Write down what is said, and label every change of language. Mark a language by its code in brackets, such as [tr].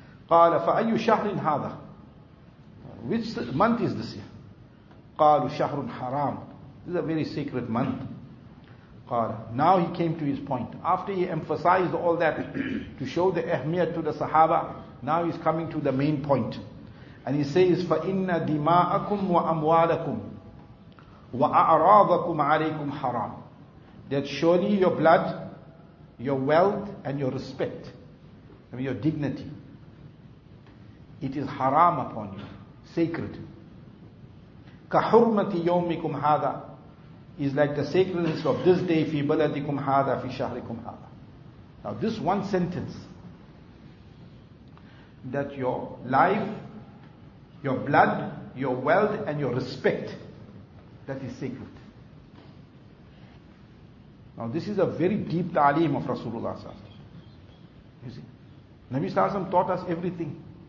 [ar] Qala fa ayyu shahrin hadha. [en] Which month is this year? [ar] قَالُ شَهْرٌ حَرَامٌ. [en] This is a very sacred month. Now he came to his point. After he emphasized all that to show the ahmiyat to the Sahaba, now he's coming to the main point. And he says, [ar] فَإِنَّ دِمَاءَكُمْ وَأَمْوَالَكُمْ وَأَعْرَاضَكُمْ عَلَيْكُمْ حَرَامٌ. [en] That surely your blood, your wealth, and your respect, and your dignity, it is haram upon you. Sacred. [ar] كَحُرْمَةِ يَوْمِكُمْ هَذَا [en] is like the sacredness of this day [ar] فِي بَلَدِكُمْ هَذَا فِي شَهْرِكُمْ هَذَا. [en] Now this one sentence, that your life, your blood, your wealth, and your respect, that is sacred. Now this is a very deep ta'aleem of Rasulullah sallallahu alayhi wa sallam. You see, Nabi sallallahu alayhi wa sallam taught us everything.